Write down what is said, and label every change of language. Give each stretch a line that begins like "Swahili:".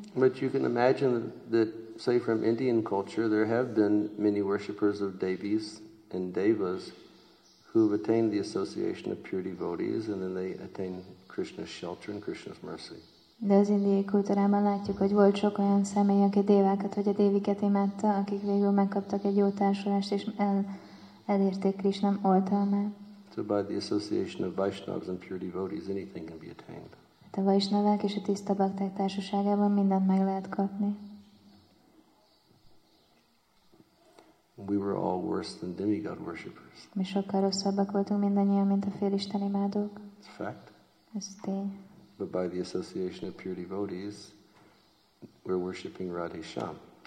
English: But you can imagine that, say, from Indian culture, there have been many worshippers of devis and devas who have attained the association of pure devotees, and then they attain Krishna's shelter and Krishna's mercy.
Hungarian: De az indiai kultúrában látjuk, hogy volt sok olyan személy, aki dévákat vagy a déviket imádta, akik végül megkaptak egy jó társulást, és elérték Krishna oltalmát.
English: So by the association of Vaishnavas and pure devotees, anything can be attained.
Hungarian: A Vaishnavák és a tiszta bakták társaságában mindent meg lehet kapni.
English: We were all worse than demigod worshippers.
Hungarian: Mi sokkal rosszabbak voltunk mindannyian, mint a félisten imádók.
English: It's fact.
Hungarian: Ez tény.
English: But by the association of pure devotees, we're worshipping Radhe Shyam.